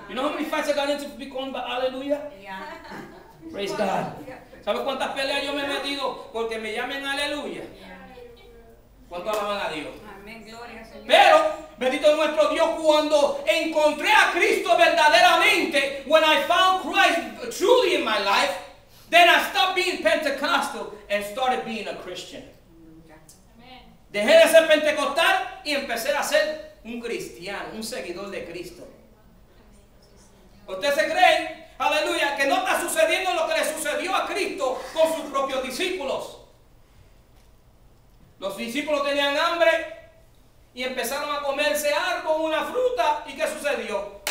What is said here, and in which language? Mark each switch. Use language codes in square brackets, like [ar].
[en] You know how many fights I got into to be called by Hallelujah? Yeah. Praise God. [es] ¿Sabes cuántas peleas yo me he metido porque me llamen Aleluya? ¿Cuánto alaban a Dios? Amén, gloria al Señor. Pero, bendito nuestro Dios, cuando encontré a Cristo verdaderamente, [en] when I found Christ truly in my life, then I stopped being Pentecostal and started being a Christian. Amen. [es] Dejé de ser pentecostal y empecé a ser un cristiano, un seguidor de Cristo. ¿Usted se cree, aleluya, que no está sucediendo lo que le sucedió a Cristo con sus propios discípulos? Los discípulos tenían hambre y empezaron a comerse algo, una fruta. ¿Y qué sucedió?